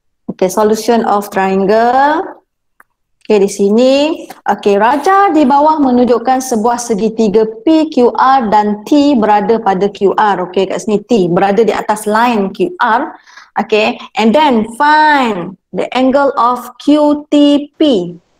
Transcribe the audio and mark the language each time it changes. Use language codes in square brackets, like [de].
[en] Okey, solution of triangle. [ms] Okey, di sini. Okey, rajah di bawah menunjukkan sebuah segitiga PQR dan T berada pada QR. Okey, kat sini T berada di atas line QR. [en] Okey, and then find the angle of QTP.